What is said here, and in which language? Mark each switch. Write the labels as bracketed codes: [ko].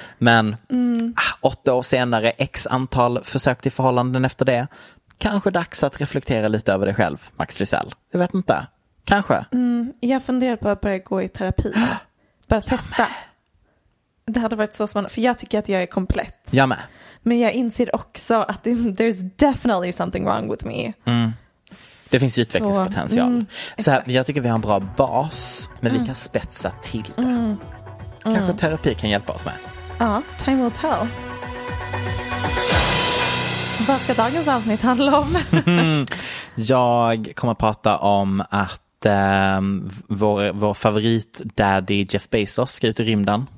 [sv] Men 8 år senare, x antal försök till förhållanden efter det. Kanske dags att reflektera lite över dig själv, Max Lysell. Jag vet inte. Kanske. Jag funderar på att börja gå i terapi. Bara testa. Det hade varit så spännande. För jag tycker att jag är komplett. Jag med. Men jag inser också att [en] there's definitely something wrong with me. [sv] Mm. Det finns utvecklingspotential. Så här, jag tycker vi har en bra bas. Men vi kan spetsa till det. Kanske terapi kan hjälpa oss med. [en] Ja, time will tell. [sv] Vad ska dagens avsnitt handla om? Jag kommer att prata om att vår favorit daddy Jeff Bezos ska ut i rymden.